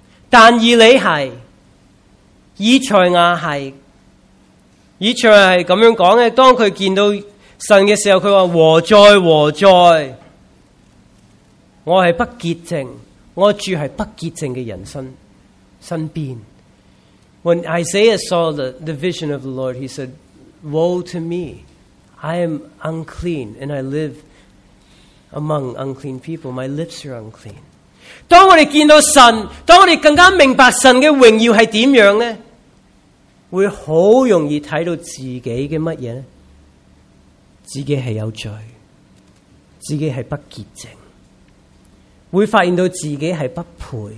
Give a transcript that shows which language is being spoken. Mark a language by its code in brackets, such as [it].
[zh] 但以理是，以赛亚是，以赛亚是这样说的，当他见到神的时候，他说和在和在，我是不洁净，我住是不洁净的人生身边。 [en] When Isaiah saw the vision of the Lord, he said, "Woe to me, I am unclean, and I live among unclean people. My lips are unclean." [zh] 当我们见到神，当我们更加明白神的荣耀是怎样呢，会很容易看到自己的什么呢？自己是有罪，自己是不洁净，会发现到自己是不配。